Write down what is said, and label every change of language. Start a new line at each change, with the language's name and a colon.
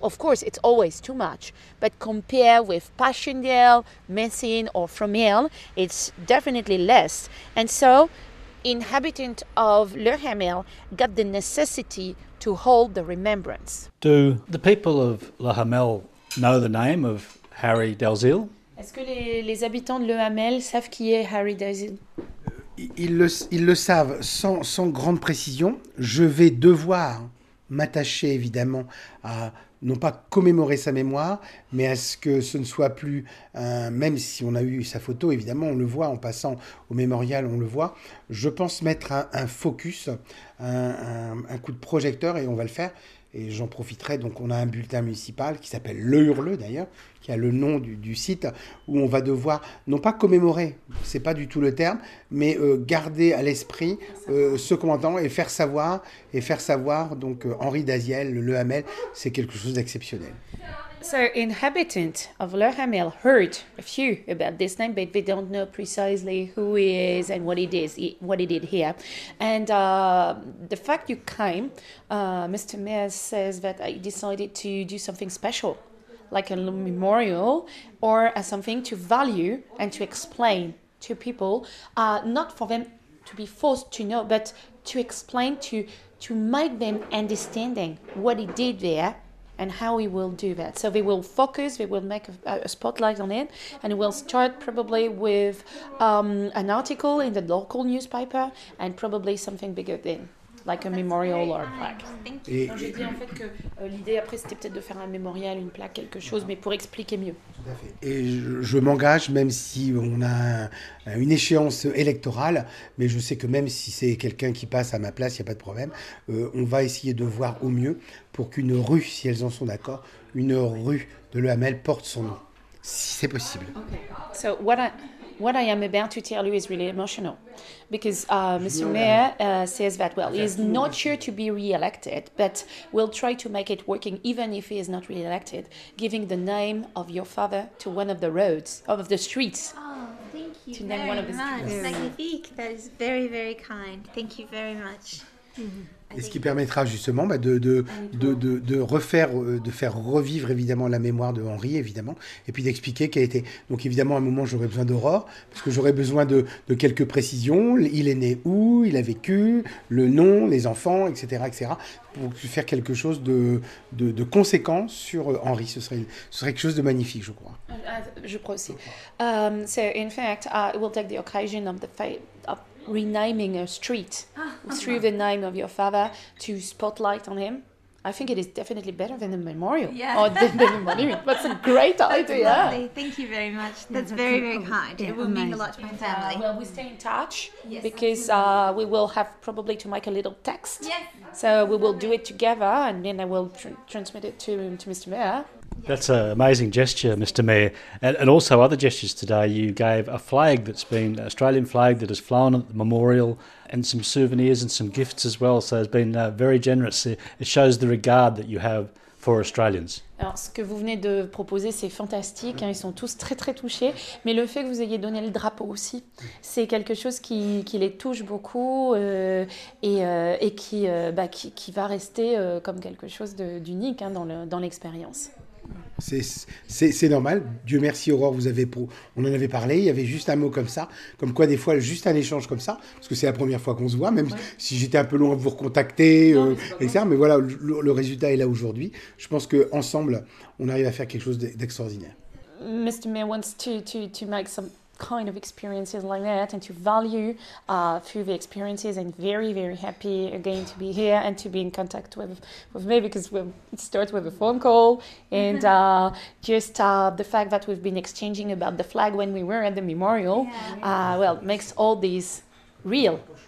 English: Of course, it's always too much, but compared with Passchendaele, Messines or Fromelles, it's definitely less. And so inhabitant of Le Hamel got the necessity to hold the remembrance. Do the people of Le Hamel know the name of Harry Dalziel?
French: Est-ce que les habitants de Le Hamel savent qui est Harry Dalziel? Ils le savent sans grande précision. Je vais devoir m'attacher évidemment à non pas commémorer sa mémoire, mais à ce que ce ne soit plus, même si on a eu sa photo, évidemment, on le voit en passant au mémorial, on le voit. Je pense mettre un focus, un coup de projecteur, et on va le faire, et j'en profiterai. Donc on a un bulletin municipal qui s'appelle Le Hurle, d'ailleurs, qui a le nom du site, où on va devoir, non pas commémorer, c'est pas du tout le terme, mais garder à l'esprit ce commandant et faire savoir donc Henri Dalziel, Le Hamel, c'est quelque chose d'exceptionnel.
English: So inhabitants of Le Hamel heard a few about this name, but they don't know precisely who he is and what he did here. And the fact you came, Mr. Mayor says that I decided to do something special, like a memorial or something to value and to explain to people, not for them to be forced to know, but to explain, to make them understanding what he did there and how we will do that. So we will focus, we will make a spotlight on it, and we'll start probably with an article in the local newspaper, and probably something bigger than, like a memorial or a plaque.
French: Et non, j'ai dit en fait que l'idée après c'était peut-être de faire un mémorial, une plaque, quelque chose, voilà. Mais pour expliquer mieux. Tout à fait. Et je m'engage, même si on a une échéance électorale, mais je sais que même si c'est quelqu'un qui passe à ma place, il n'y a pas de problème, on va essayer de voir au mieux pour qu'une rue, si elles en sont d'accord, une rue de Le Hamel porte son nom, si c'est possible.
English: Okay. So what I am about to tell you is really emotional, because Mr. Mayor says that, well, he's not sure to be re-elected, but we'll try to make it working, even if he is not re-elected, giving the name of your father to one of the roads, of the streets. Oh, thank you to name very one of the streets. Much. Yes. Magnifique. That is very, very kind. Thank you very much.
French: Et ce qui permettra justement de refaire, de faire revivre évidemment la mémoire de Henri, évidemment, et puis d'expliquer qu'elle était. Donc évidemment, à un moment, j'aurais besoin d'Aurore, parce que j'aurais besoin de quelques précisions. Il est né où, il a vécu, le nom, les enfants, etc., etc., pour faire quelque chose de conséquent sur Henri. Ce serait quelque chose de magnifique, je crois. Je crois aussi.
English: So in fact, I will take the occasion of the fate. renaming a street through the name of your father to spotlight on him. I think it is definitely better than the memorial. Yeah. Or than the monument. That's a great That's idea. Lovely. Thank you very much. That's very, very kind. Yeah, it will mean a lot to my family. Well, we stay in touch because we will have probably to make a little text. Yes. So we will do it together and then I will transmit it to Mr. Mayor. That's an amazing gesture, Mr. Mayor. And also other gestures today. You gave a flag that's been, an Australian flag that has flown at the memorial, and some souvenirs and some gifts as well. So it's been very generous. It shows the regard that you have for Australians.
French: Alors, ce que vous venez de proposer, c'est fantastique. Hein, ils sont tous très, très touchés. Mais le fait que vous ayez donné le drapeau aussi, c'est quelque chose qui les touche beaucoup et qui va rester comme quelque chose d'unique hein, dans l'expérience. C'est normal. Dieu merci, Aurore, on en avait parlé. Il y avait juste un mot comme ça, comme quoi des fois juste un échange comme ça, parce que c'est la première fois qu'on se voit, même si j'étais un peu loin de vous recontacter, etc. Mais voilà, le résultat est là aujourd'hui. Je pense que ensemble, on arrive à faire quelque chose d'extraordinaire.
English: Mr. Mayor wants to make some kind of experiences like that and to value through the experiences, and very, very happy again to be here and to be in contact with me, because it starts with a phone call and the fact that we've been exchanging about the flag when we were at the memorial makes all this real.